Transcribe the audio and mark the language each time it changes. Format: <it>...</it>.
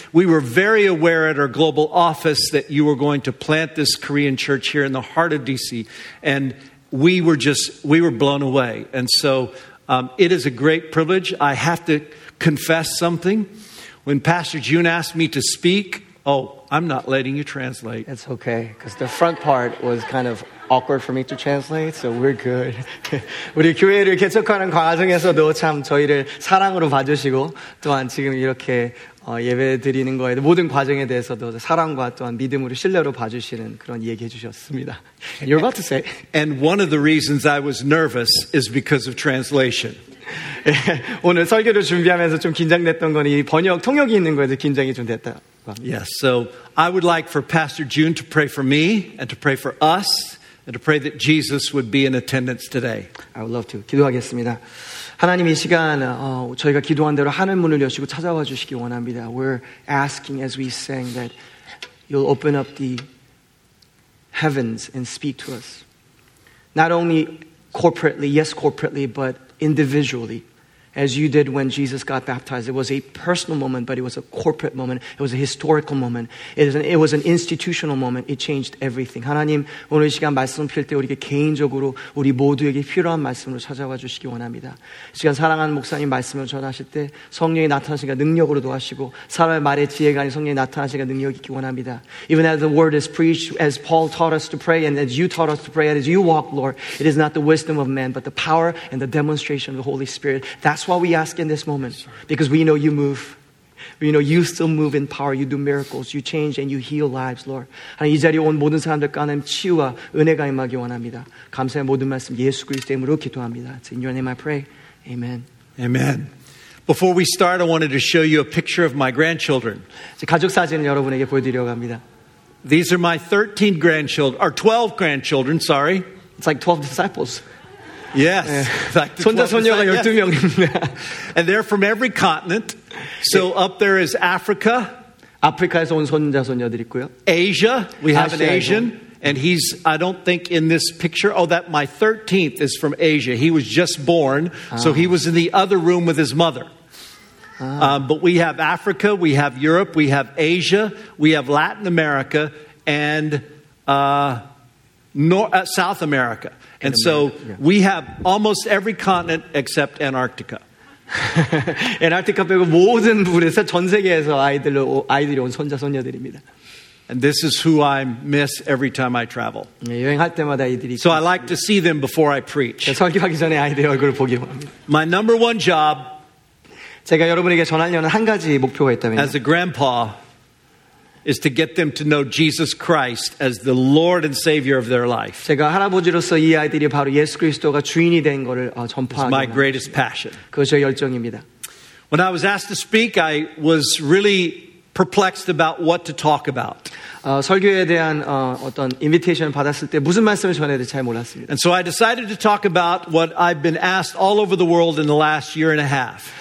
<en>We were very aware at our global office that you were going to plant this Korean church here in the heart of D.C., and we were blown away. And so... it is a great privilege. I have to confess something. When Pastor June asked me to speak, oh, I'm not letting you translate. It's okay, because the front part was kind of awkward for me to translate, so we're good.</en> <ko>우리 교회를 개척하는 과정에서도 참 저희를 사랑으로 봐주시고 또한 지금 이렇게 예배 드리는 거에 모든 과정에 대해서도 사랑과 또한 믿음으로 신뢰로 봐주시는 그런 얘기해 주셨습니다.</ko> <en>You're about to say. And one of the reasons I was nervous is because of translation.</en> <ko>오늘 설교를 준비하면서 좀 긴장됐던 건 이 번역 통역이 있는 거에서 긴장이 좀 됐다.</ko> <en>Yes. So I would like for Pastor June to pray for me and to pray for us and to pray that Jesus would be in attendance today. I would love to.</en> <ko>기도하겠습니다. 하나님 이 시간 저희가 기도한 대로 하늘 문을 여시고 찾아와 주시기 원합니다.</ko> <en>We're asking as we sang that you'll open up the heavens and speak to us. Not only corporately, yes corporately, but individually. As you did when Jesus got baptized. It was a personal moment, but it was a corporate moment. It was a historical moment. It was an institutional moment. It changed everything.</en> <ko>하나님, 오늘 이 시간 말씀 필 때 우리에게 개인적으로 우리 모두에게 필요한 말씀으로 찾아와 주시기 원합니다. 이 시간 사랑하는 목사님 말씀을 전하실 때 성령이 나타나시니까 능력으로 도하시고 사람의 말에 지혜가 아닌 성령이 나타나시니까 능력이 있기 원합니다.</ko> <en>Even as the word is preached, as Paul taught us to pray, and as you taught us to pray, and as you walk, Lord, it is not the wisdom of man, but the power and the demonstration of the Holy Spirit. That's why we ask in this moment, because we know you move. We know you still move in power. You do miracles. You change and you heal lives, Lord.</en> <ko>하나님 이 자리에 온 모든 사람들 가운데 치유와 은혜가 임하기 원합니다. 감사의 모든 말씀 예수 그리스도 이름으로 기도합니다.</ko> <en>In your name I pray. Amen. Amen. Before we start, I wanted to show you a picture of my grandchildren.</en> <ko>가족 사진을 여러분에게 보여드리려고 합니다.</ko> <en>These are my 13 grandchildren, or 12 grandchildren, sorry. It's like 12 disciples. Yes.</en> <ko>Like 손자, 손녀가 12명입니다. Yes.</ko> <en>And they're from every continent. So up there is Africa.</en> <ko>아프리카에서 온 손자, 손녀들 있고요.</ko> <en>Asia. We have an Asian. And he's, I don't think in this picture, oh, that my 13th is from Asia. He was just born. So he was in the other room with his mother. But we have Africa, we have Europe, we have Asia, we have Latin America, and South America. And so we have almost every continent except Antarctica.</en> <ko>Antarctica 빼고 모든 부분에서 전 세계에서 아이들이 온 손자 손녀들입니다.</ko> <en>And this is who I miss every time I travel.</en> <ko>여행할 때마다 아이들이 있어요.</ko> <en>So I like to see them before I preach.</en> <ko>설교하기 전에 아이들의 얼굴을 보기 원합니다.</ko> <en>My number one job.</en> <ko>제가 여러분에게 전하려는 한 가지 목표가 있다면.</ko> <en>As a grandpa. Is to get them to know Jesus Christ as the Lord and Savior of their life.</en> <ko>제가 할아버지로서 이 아이들이 바로 예수 그리스도가 주인이 된 것을 전파하는.</ko> <en>It's my greatest passion.</en> <ko>그것이 열정입니다.</ko> <en>When I was asked to speak, I was really perplexed about what to talk about.</en> <ko>설교에 대한 어떤 invitation 받았을 때 무슨 말씀을 전해야 될지 잘 몰랐습니다.</ko> <en>And so I decided to talk about what I've been asked all over the world in the last year and a half.</en>